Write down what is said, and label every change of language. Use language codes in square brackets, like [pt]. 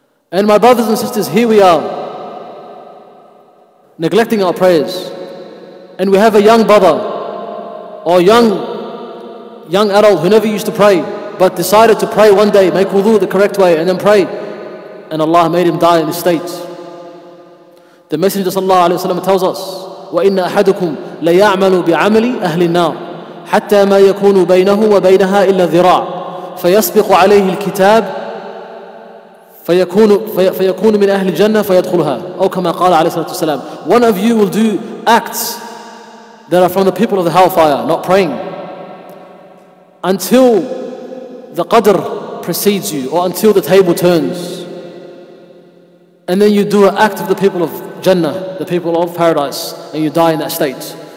[en] And my brothers and sisters, here we are, neglecting our prayers. And we have a young brother, or young adult who never used to pray, but decided to pray one day, make wudu the correct way, and then pray. And Allah made him die in this state. The Messenger of Allah tells us, [ar] وَإِنَّ أَحَدُكُمْ لَيَعْمَلُ بِعَمَلِ أَهْلِ النَّارِ حَتَّى مَا يَكُونُ بَيْنَهُ وَبَيْنَهَا إِلَّا ذِرَاعٌ فَيَسْبِقُ عَلَيْهِ الْكِتَابُ فَيَكُونُ مِنْ أَهْلِ الْجَنَّةِ فَيَدْخُلُهَا أو كما قال عليه الصلاة والسلام. [en] One of you will do acts that are from the people of the hellfire, not praying, until the qadr precedes you, or until the table turns. And then you do an act of the people of Jannah, the people of paradise, and you die in that state.